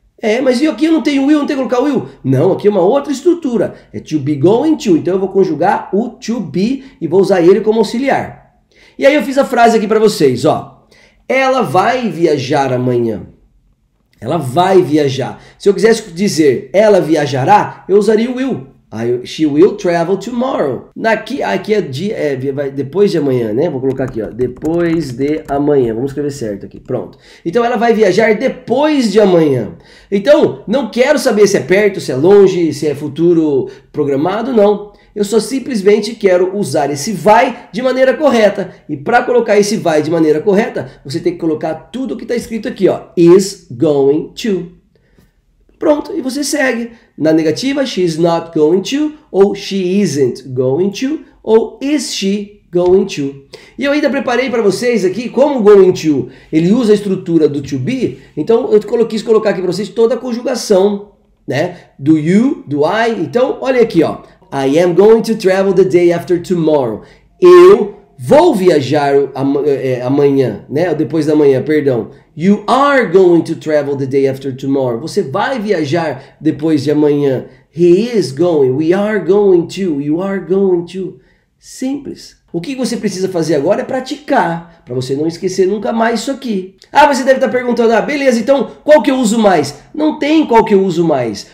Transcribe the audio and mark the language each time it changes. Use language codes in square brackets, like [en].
[pt] É, mas e aqui eu não tenho will, não tenho que colocar will? Não, aqui é uma outra estrutura, é [en] to be going to, [pt] então eu vou conjugar o to be e vou usar ele como auxiliar. E aí eu fiz a frase aqui para vocês, ó. Ela vai viajar amanhã. Ela vai viajar. Se eu quisesse dizer ela viajará, eu usaria o will. [en] She will travel tomorrow. [pt] Aqui é dia, depois de amanhã, né? Vou colocar aqui, ó. Depois de amanhã. Vamos escrever certo aqui. Pronto. Então, ela vai viajar depois de amanhã. Então, não quero saber se é perto, se é longe, se é futuro programado, não. Eu só simplesmente quero usar esse vai de maneira correta. E para colocar esse vai de maneira correta, você tem que colocar tudo o que está escrito aqui, ó. [en] Is going to. [pt] Pronto, e você segue. Na negativa, [en] she's not going to, ou she isn't going to, ou is she going to. [pt] E eu ainda preparei para vocês aqui como o going to, ele usa a estrutura do to be, então eu quis colocar aqui para vocês toda a conjugação, né, [en] do you, do I. [pt] Então, olha aqui, ó. [en] I am going to travel the day after tomorrow. [pt] Eu vou viajar amanhã, né? Depois da manhã, perdão. [en] You are going to travel the day after tomorrow. [pt] Você vai viajar depois de amanhã. [en] He is going. We are going to. You are going to. [pt] Simples. O que você precisa fazer agora é praticar, para você não esquecer nunca mais isso aqui. Ah, você deve estar perguntando, ah, beleza, então qual que eu uso mais? Não tem qual que eu uso mais.